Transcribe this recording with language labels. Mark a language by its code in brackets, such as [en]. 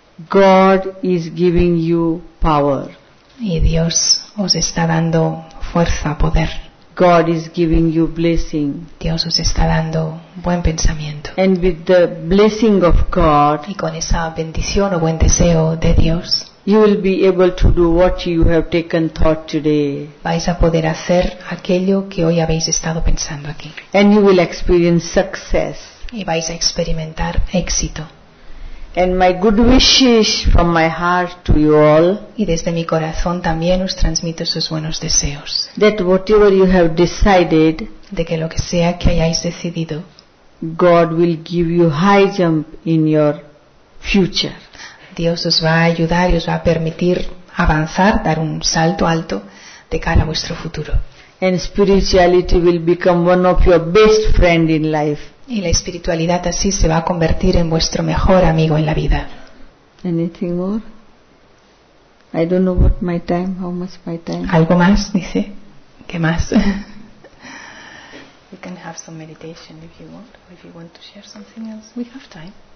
[en] God is giving you power, [es] y Dios os está dando fuerza, poder. [en] God is giving you blessing. [es] Dios os está dando buen pensamiento. [en] And with the blessing of God, [es] y con esa bendición o buen deseo de Dios, [en] you will be able to do what you have taken thought today. [es] Vais a poder hacer aquello que hoy habéis estado pensando aquí. [en] And you will experience success. [es] Y vais a experimentar éxito. [en] And my good wishes from my heart to you all. [es] Y desde mi corazón también os transmito sus buenos deseos. [en] That whatever you have decided, [es] de que lo que sea que hayáis decidido, [en] God will give you high jump in your future. [es] Dios os va a ayudar y os va a permitir avanzar, dar un salto alto de cara a vuestro futuro. [en] And spirituality will become one of your best friend in life. [es] Y la espiritualidad así se va a convertir en vuestro mejor amigo en la vida. [en] Anything more? I don't know what my time, how much my time. [es] ¿Algo más, dice? ¿Qué más? [en] We can have some meditation if you want. If you want to share something else, we have time.